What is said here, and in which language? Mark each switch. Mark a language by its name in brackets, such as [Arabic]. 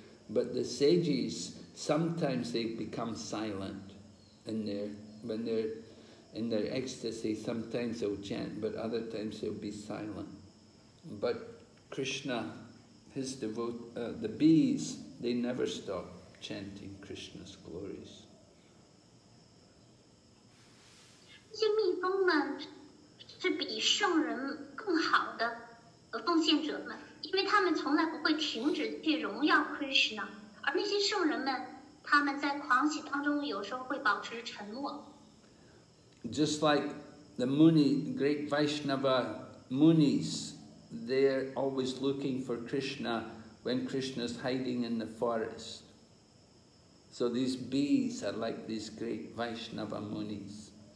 [English] But the sages, sometimes they become silent when they're in their ecstasy. Sometimes they'll chant, but other times they'll be silent. But Krishna, the bees, they never stop chanting Krishna's glories. [Chinese] 这些蜜蜂们是比圣人更好的奉献者们，因为他们从来不会停止去荣耀 Krishna， 而那些圣人们，他们在狂喜当中有时候会保持沉默。 [English] Just like the Muni, great Vaishnava Munis, they're always looking for Krishna when Krishna's hiding in the forest. So these bees are like these great Vaishnava Munis.